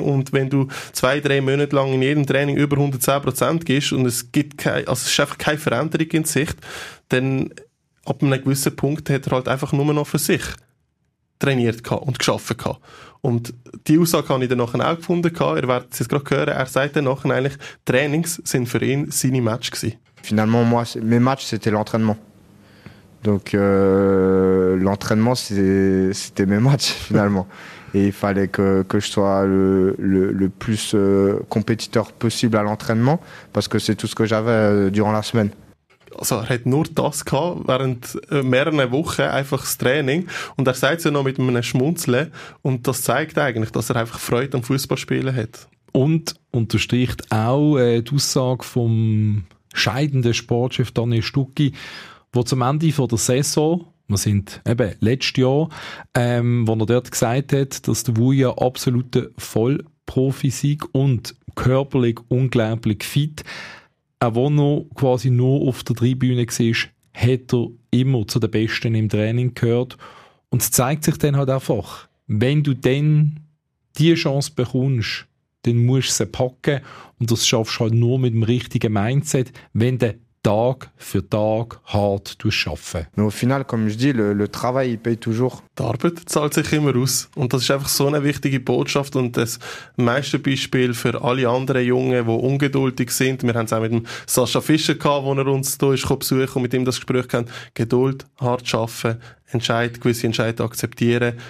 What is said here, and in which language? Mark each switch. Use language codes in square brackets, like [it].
[de] Und wenn du 2-3 Monate lang in jedem Training über 110% gehst und es ist einfach keine Veränderung in Sicht, dann ab einem gewissen Punkt hat er halt einfach nur noch für sich. trainiert und geschafft. Und die Aussage habe ich dann nachher auch gefunden. Ihr werdet es jetzt gerade hören. Er sagt dann nachher eigentlich, Trainings sind für ihn seine Match gewesen. [fr] Finalement, moi, mes matchs, c'était l'entraînement. Donc, l'entraînement, c'était mes matchs, finalement. Et il fallait que je sois le plus compétiteur possible à l'entraînement, parce que c'est tout ce que j'avais durant la semaine. [de] Also, er hat nur das gehabt, während mehreren Wochen einfach das Training. Und er sagt es ja noch mit einem Schmunzeln. Und das zeigt eigentlich, dass er einfach Freude am Fußballspielen hat. Und unterstreicht auch die Aussage vom scheidenden Sportchef Daniel Stucki, der zum Ende von der Saison, wir sind eben letztes Jahr, wo er dort gesagt hat, dass der Wuja absolute Vollprofi sei und körperlich unglaublich fit. Auch wenn er noch quasi nur auf der Tribüne war, hat er immer zu den Besten im Training gehört. Und es zeigt sich dann halt einfach, wenn du dann die Chance bekommst, dann musst du sie packen. Und das schaffst du halt nur mit dem richtigen Mindset, wenn du Tag für Tag hart arbeitest. [fr] Au final, comme je dis, le travail paye toujours. [de] Die Arbeit zahlt sich immer aus. Und das ist einfach so eine wichtige Botschaft und das Meisterbeispiel für alle anderen Jungen, die ungeduldig sind. Wir haben es auch mit dem Sascha Fischer gehabt, wo er uns hier besucht und mit ihm das Gespräch gehabt. Geduld, hart arbeiten, gewisse Entscheidungen akzeptieren.